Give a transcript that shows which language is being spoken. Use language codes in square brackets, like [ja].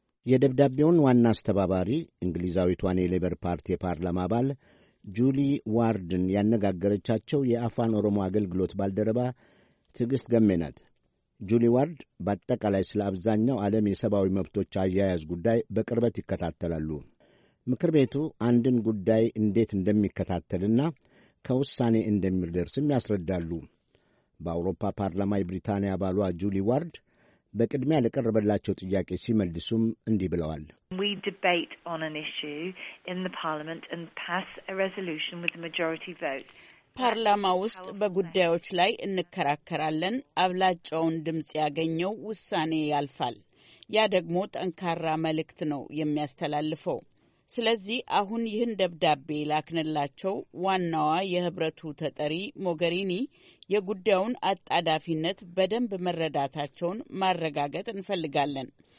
[am] የደብዳቤውን ዋና አስተባባሪ እንግሊዛዊቷን የሌበር ፓርቲ የፓርላማ አባል ጁሊ ዋርድን ያነጋገረቻቸው የአፋን ኦሮሞ አገልግሎት ባልደረባ ትዕግሥት ገሜ ናት። ጁሊ ዋርድ በአጠቃላይ ስለ አብዛኛው ዓለም የሰብአዊ መብቶች አያያዝ ጉዳይ በቅርበት ይከታተላሉ። ምክር ቤቱ አንድን ጉዳይ እንዴት እንደሚከታተልና ከውሳኔ እንደሚደርስም ያስረዳሉ። በአውሮፓ ፓርላማ የብሪታንያ አባሏ ጁሊ ዋርድ በቅድሚያ ለቀረበላቸው ጥያቄ ሲመልሱም እንዲህ ብለዋል። [en] We debate on an issue in the parliament and pass a resolution with the majority vote. [am] ፓርላማ ውስጥ በጉዳዮች ላይ እንከራከራለን፣ አብላጫውን ድምጽ ያገኘው ውሳኔ ያልፋል። ያ ደግሞ ጠንካራ መልእክት ነው የሚያስተላልፈው። ስለዚህ አሁን ይህን ደብዳቤ ላክንላቸው ዋናዋ የህብረቱ ተጠሪ ሞገሪኒ የጉዳዩን አጣዳፊነት በደንብ መረዳታቸውን ማረጋገጥ እንፈልጋለን።